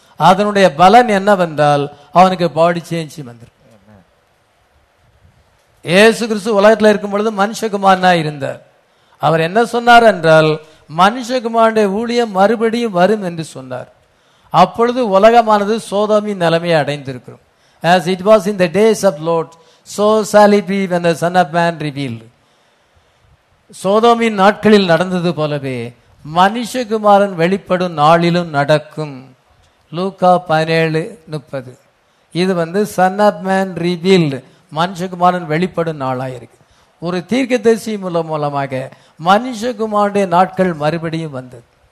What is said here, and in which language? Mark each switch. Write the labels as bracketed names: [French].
[Tamil] அதனுடைய பலன் என்ன என்றால் அவனுக்கு [English] body change [Tamil] வந்துரு. இயேசு கிறிஸ்து உலகத்தில் இருக்கும் பொழுது மனுஷகுமாரனா இருந்தார். அவர் என்ன சொன்னார் என்றால், மனுஷகுமாரனுடைய ஊழியம் மறுபடியும் வரும் என்று சொன்னார். அப்பொழுது உலகமானது சோதோமி நிலைமையை அடைந்திருக்கிறோம். [English] As it was in the days of Lord, so shall it be when the Son of Man revealed. [Tamil] சோதோமின் நாட்களில் நடந்தது போலவே மனுஷகுமாரன் வெளிப்படும் நாளிலும் நடக்கும். லூக்கா 17:30. இது வந்து [English] son of man revealed, [Tamil] மனுஷகுமாரன் வெளிப்படும் நாளாக இருக்கு. ஒரு தீர்க்க தரிசி மூலமாக மனுஷகுமாருடைய நாட்கள் மறுபடியும் வந்தது.